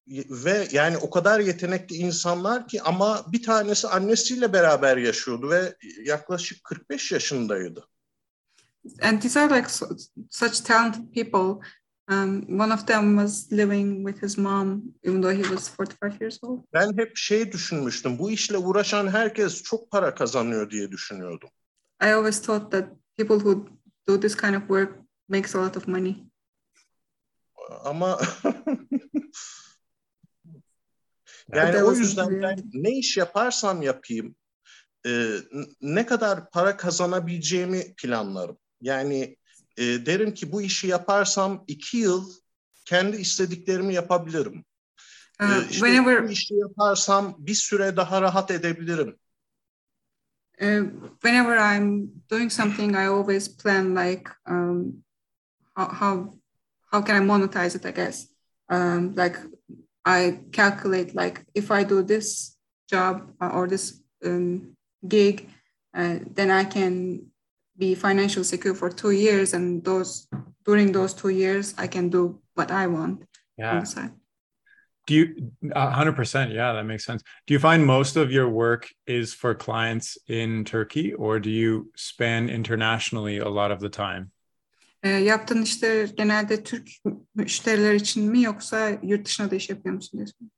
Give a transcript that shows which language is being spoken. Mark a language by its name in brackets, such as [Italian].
[Turkish] Ve yani o kadar yetenekli insanlar ki, ama bir tanesi annesiyle beraber yaşıyordu ve yaklaşık 45 yaşındaydı. [English] And these are like such talented people. One of them was living with his mom, even though he was 45 years old. [Turkish] Ben hep şey düşünmüştüm. Bu işle uğraşan herkes çok para kazanıyor diye düşünüyordum. [English] I always thought that people who do this kind of work makes a lot of money. [Turkish] Ama yani o yüzden ben ne iş yaparsam yapayım, ne kadar para kazanabileceğimi planlarım. Yani derim ki bu işi yaparsam 2 yıl kendi istediklerimi yapabilirim. Bu işi yaparsam bir süre daha rahat edebilirim. [English] Whenever I'm doing something, I always plan like how can I monetize it, I guess. Like I calculate like if I do this job or this gig, then I can be financially secure for 2 years, and during those 2 years I can do what I want. Yeah. Do you 100%? Yeah, that makes sense. Do you find most of your work is for clients in Turkey, or do you span internationally a lot of the time? [Turkish] Yaptığın işler genelde Türk müşteriler için mi, yoksa yurt dışına da iş yapıyor musun?